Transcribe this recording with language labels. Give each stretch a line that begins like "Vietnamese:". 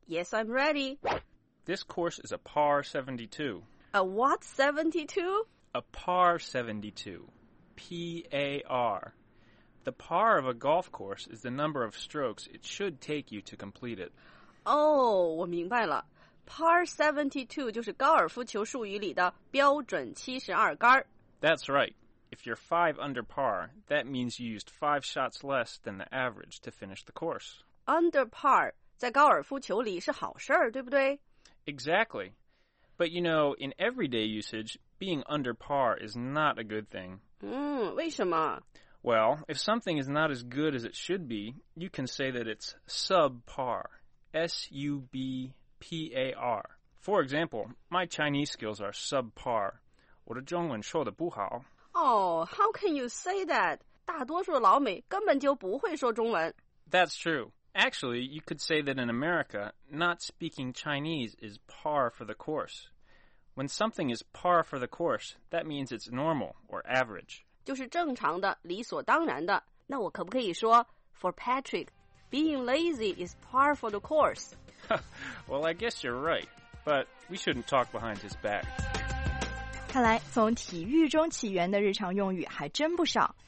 English: Yes, I'm ready. This course is a par 72. A what 72? A par 72. P-A-R. The par of a golf course is the number of strokes it should take you to complete it.
Chinese: Oh, 我明白了。 Par 72就是高尔夫球术语里的标准72杆。
English: That's right. If you're 5 under par, that means you used 5 shots less than the average to finish the course.
Chinese: Under par, 在高尔夫球里是好事儿，对不对？
English: Exactly. But you know, in everyday usage, being under par is not a good thing.
Chinese: 为什么？
English: Well, if something is not as good as it should be, you can say that it's subpar. S-U-B-P-A-R. For example, my Chinese skills are subpar.
Chinese: 我的中文说的不好。
English: Oh, how can you say that?
Chinese: 大多数老美根本就不会说中文。
English: That's true. Actually, you could say that in America, not speaking Chinese is par for the course. When something is par for the course, that means it's normal or average.
Chinese: 就是正常的，理所当然的。那我可不可以说
English: ，For Patrick, being lazy is par for the course. Well, I guess you're right, but we shouldn't talk behind his back.
Chinese: 看来从体育中起源的日常用语还真不少。